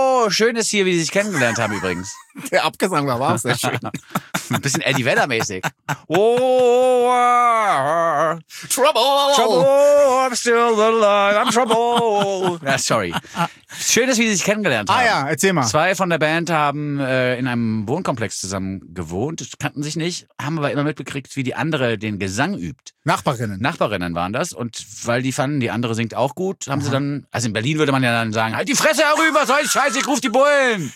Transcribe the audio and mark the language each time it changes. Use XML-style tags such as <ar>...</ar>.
<de>Schön ist hier, wie sie sich kennengelernt haben übrigens. Der Abgesang war auch sehr schön. Ein bisschen Eddie Vedder-mäßig. Oh,</de> <en>Trouble! Trouble, I'm still alive, I'm Trouble. Sorry.</en> <de>Schön ist, wie sie sich kennengelernt haben. Ah ja, erzähl mal. Zwei von der Band haben in einem Wohnkomplex zusammen gewohnt, kannten sich nicht, haben aber immer mitbekriegt, wie die andere den Gesang übt. Nachbarinnen. Nachbarinnen waren das. Und weil die fanden, die andere singt auch gut, haben sie dann, also in Berlin würde man ja dann sagen, halt die Fresse herüber, sei scheiße, ich ruf die Bullen.</de>